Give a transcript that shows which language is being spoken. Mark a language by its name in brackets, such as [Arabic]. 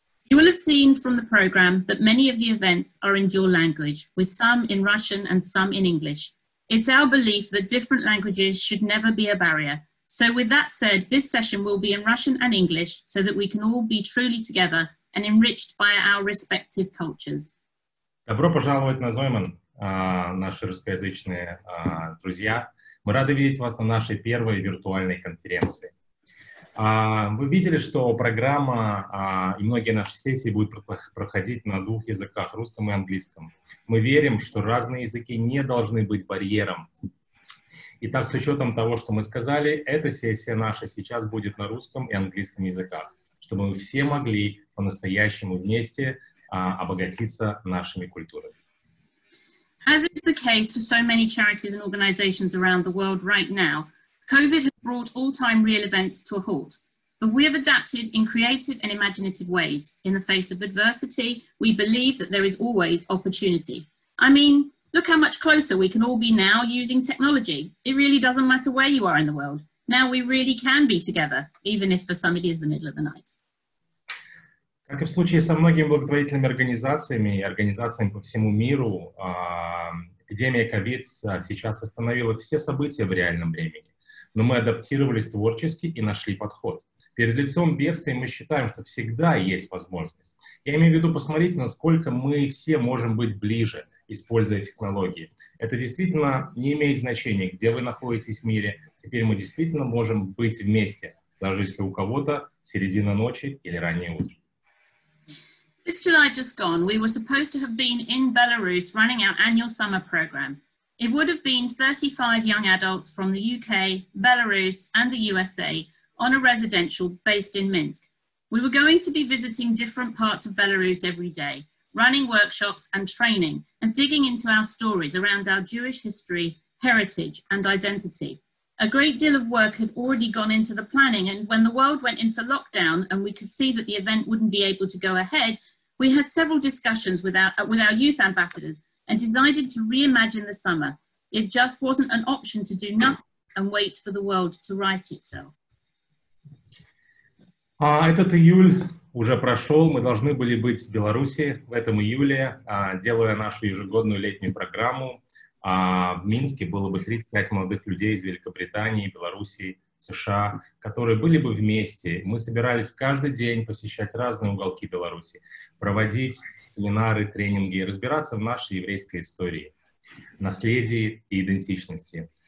[English] You will have seen from the programme that many of the events are in dual language, with some in Russian and some in English. It's our belief that different languages should never be a barrier. So with that said, this session will be in Russian and English so that we can all be truly together and enriched by our respective cultures. [Russian] Добро пожаловать на Zoymen, наши русскоязычные друзья. Мы рады видеть вас на нашей первой виртуальной конференции. Вы видели, что программа и многие наши сессии будут проходить на двух языках, русском и английском. Мы верим, что разные языки не должны быть барьером. Итак, с учетом того, что мы сказали, эта сессия наша сейчас будет на русском и английском языках, чтобы мы все могли по-настоящему вместе обогатиться нашими культурами. [English] As is the case for so many charities and organizations around the world right now, COVID has brought all-time real events to a halt. But we have adapted in creative and imaginative ways. In the face of adversity, we believe that there is always opportunity. I mean, look how much closer we can all be now using technology. It really doesn't matter where you are in the world. Now we really can be together, even if for some it is the middle of the night. [Russian] Как и в случае со многими благотворительными организациями и организациями по всему миру, эпидемия COVID сейчас остановила все события в реальном времени. Но мы адаптировались творчески и нашли подход. Перед лицом бедствия мы считаем, что всегда есть возможность. Я имею в виду посмотреть, насколько мы все можем быть ближе, используя технологии. Это действительно не имеет значения, где вы находитесь в мире. Теперь мы действительно можем быть вместе, даже если у кого-то середина ночи или раннее утро. [English] This July just gone, we were supposed to have been in Belarus running our annual summer program. It would have been 35 young adults from the UK, Belarus and the USA on a residential based in Minsk. We were going to be visiting different parts of Belarus every day, running workshops and training and digging into our stories around our Jewish history, heritage and identity. A great deal of work had already gone into the planning, and when the world went into lockdown and we could see that the event wouldn't be able to go ahead, we had several discussions with our youth ambassadors and decided to reimagine the summer. It just wasn't an option to do nothing and wait for the world to right itself. [Russian] Этот июль уже прошел. Мы должны были быть в Беларуси в этом июле, делая нашу ежегодную летнюю программу. В Минске было бы 35 молодых людей из Великобритании, Белоруссии, США, которые были бы вместе. Мы собирались каждый день посещать разные уголки Беларуси, проводить семинары, тренинги, разбираться в нашей еврейской истории, наследии и идентичности.